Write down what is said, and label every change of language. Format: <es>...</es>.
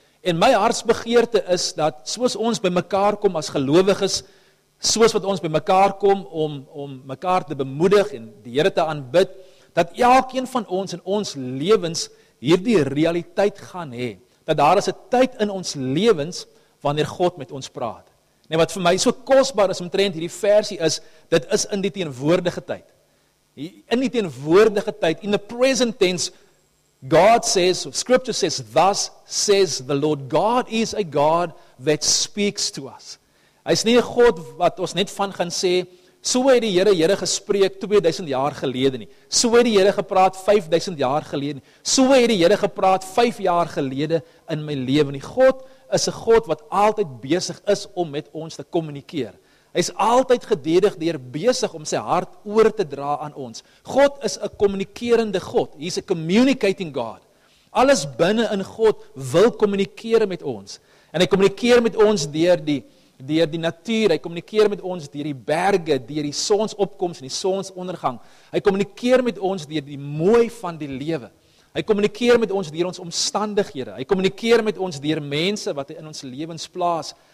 <af>En my hartsbegeerte is dat soos ons bymekaar kom as gelowiges, soos wat ons bymekaar kom om mekaar te bemoedig en die Here te aanbid, dat elkeen van ons in ons lewens hierdie realiteit gaan hê. Dat daar is 'n tyd in ons lewens wanneer God met ons praat. Nee, wat vir my so kosbaar is omtrent hierdie versie is, dit is in die teenwoordige tyd. In die teenwoordige tyd,</af> <en>in the present tense, God says, scripture says, thus says the Lord, God is a God that speaks to us.</en> <af>Hy is nie 'n God wat ons net van gaan sê, so het die Here gespreek 2000 jaar gelede nie. So het die Here gepraat 5000 jaar gelede nie. So het die Here gepraat 5 jaar gelede in my lewe nie. God is 'n God wat altyd besig is om met ons te kommunikeer. Hy is altyd gededig deur besig om sy hart oor te dra aan ons. God is 'n kommunikerende God.</af> <en>He's a communicating God.</en> <af>Alles binne in God wil kommunikeer met ons. En hy kommunikeer met ons deur die natuur, hy kommunikeer met ons deur die berge, deur die sonsopkoms en die sonsondergang. Hy kommunikeer met ons deur die mooi van die lewe. Hy kommunikeer met ons deur ons omstandighede. Hy kommunikeer met ons deur mense wat hy in ons lewens plaas.</af>